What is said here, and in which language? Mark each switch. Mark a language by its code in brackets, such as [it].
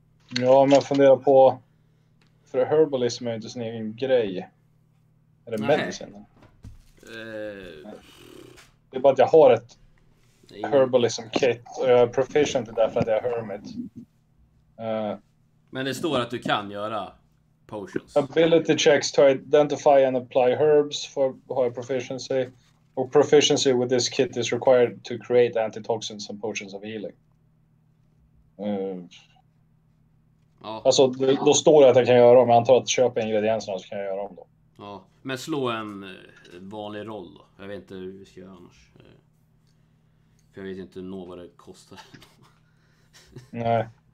[sv] Ja, om jag funderar på, för herbalism är ju inte sin egen grej. Är det medicin? Det är bara att jag har ett herbalism kit och jag är proficient därför att jag är hermit. Men det står att du kan göra potions. [en] Ability checks to identify and apply herbs for high proficiency. Och proficiency with this kit is required to create antitoxins and potions of healing. [sv] Ja. Alltså då står det att jag kan göra dem. Jag antar att köpa ingredienserna så kan jag göra dem då. Ja, men slå en vanlig roll då. Jag vet inte hur vi ska göra annars. För jag vet inte nå vad det kostar. Nej.